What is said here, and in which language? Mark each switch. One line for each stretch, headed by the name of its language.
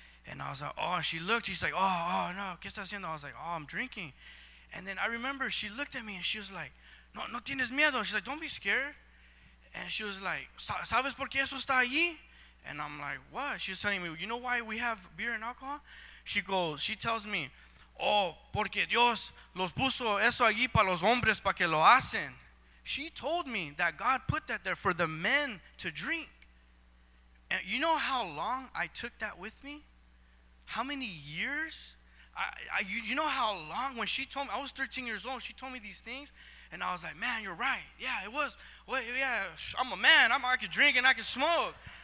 English: And I was like, oh, she looked. She's like, oh no,
Spanish: ¿qué estás haciendo?
English: I was like, oh, I'm drinking. And then I remember she looked at me, and she was like, no,
Spanish: no tienes miedo.
English: She's like, don't be scared. And she was like,
Spanish: ¿sabes por qué eso está allí?
English: And I'm like, what? She's telling me, you know why we have beer and alcohol? She tells me, oh,
Spanish: porque Dios los puso eso allí para los hombres para que lo hacen.
English: She told me that God put that there for the men to drink. And you know how long I took that with me? How many years? You know how long when she told me, I was 13 years old, she told me these things. And I was like, man, you're right. Yeah, it was. Well, yeah, I'm a man. I could drink and I could smoke.